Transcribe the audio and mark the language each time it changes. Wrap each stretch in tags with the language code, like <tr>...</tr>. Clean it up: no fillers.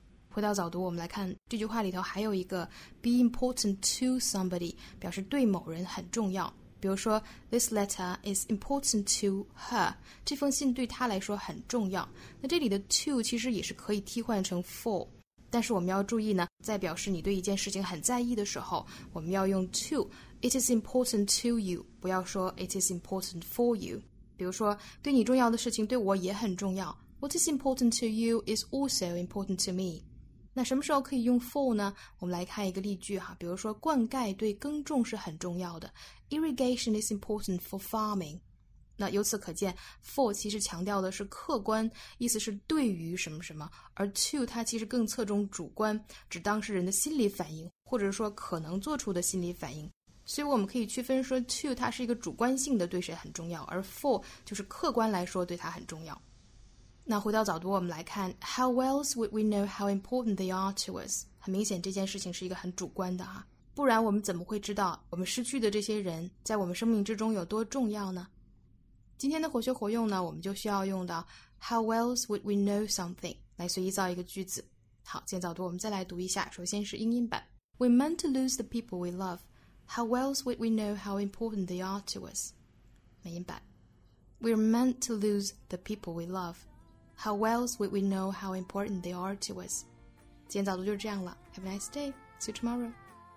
<zh>回到早读，我们来看这句话里头还有一个 Be important to somebody， 表示对某人很重要。比如说</zh> <en>This letter is important to her，</en> <zh>这封信对她来说很重要。那这里的 to 其实也是可以替换成 for， 但是我们要注意呢，在表示你对一件事情很在意的时候，我们要用 to。</zh> <en>It is important to you， 不要说 It is important for you。</en> <zh>比如说对你重要的事情对我也很重要，</zh> <en>What is important to you is also important to me。</en> <zh>那什么时候可以用 for 呢？我们来看一个例句哈，比如说灌溉对耕种是很重要的，</zh> <en>Irrigation is important for farming。</en> <zh>那由此可见 for 其实强调的是客观，意思是对于什么什么，而 to 它其实更侧重主观，指当事人的心理反应或者说可能做出的心理反应。所以我们可以区分说 to 它是一个主观性的对谁很重要，而 for 就是客观来说对它很重要。那回到早读，我们来看</zh> <en>How else would we know how important they are to us，</en> <zh>很明显这件事情是一个很主观的啊，不然我们怎么会知道我们失去的这些人在我们生命之中有多重要呢？今天的活学活用呢，我们就需要用到 How else would we know something 来随意造一个句子。好，今天早读我们再来读一下，首先是英音版。</zh> <en>We meant to lose the people we love. How else would we know how important they are to us?</en> <zh>美音版。</zh> <en>We're meant to lose the people we love. How else would we know how important they are to us?</en> <zh>今天早读就是这样了。</zh> <en>Have a nice day. See you tomorrow.</en>